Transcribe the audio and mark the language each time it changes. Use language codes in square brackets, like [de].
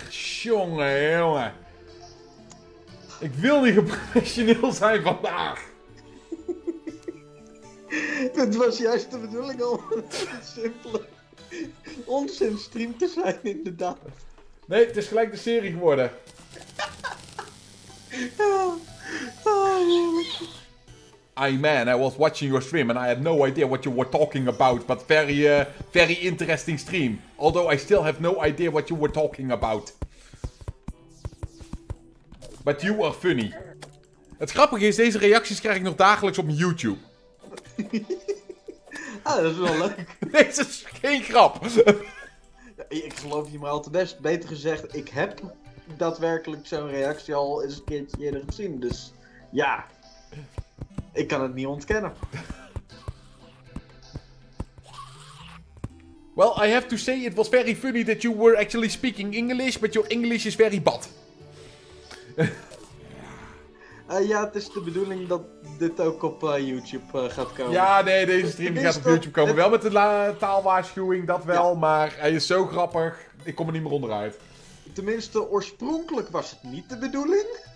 [nl] Tjonge jongen. Ik wil niet professioneel zijn vandaag. Het was juist de bedoeling om een simpele onzin stream te zijn inderdaad. Nee, het is gelijk de serie geworden. [en] I man, I was watching your stream and I had no idea what you were talking about, but very, very interesting stream. Although I still have no idea what you were talking about. But you are funny. [nl] Het grappige is, deze reacties krijg ik nog dagelijks op YouTube. Ah, dat is wel leuk. Deze is geen grap. Ik geloof je maar al te best. Beter gezegd, ik heb daadwerkelijk zo'n reactie al eens een keertje eerder gezien. Dus ja, ik kan het niet ontkennen. [en] Well, I have to say it was very funny that you were actually speaking English, but your English is very bad. [nl] Ja, het is de bedoeling dat dit ook op YouTube gaat komen. Ja, nee, deze stream gaat op YouTube komen. Wel met de taalwaarschuwing, dat wel. Ja. Maar hij is zo grappig. Ik kom er niet meer onderuit. Tenminste, oorspronkelijk was het niet de bedoeling.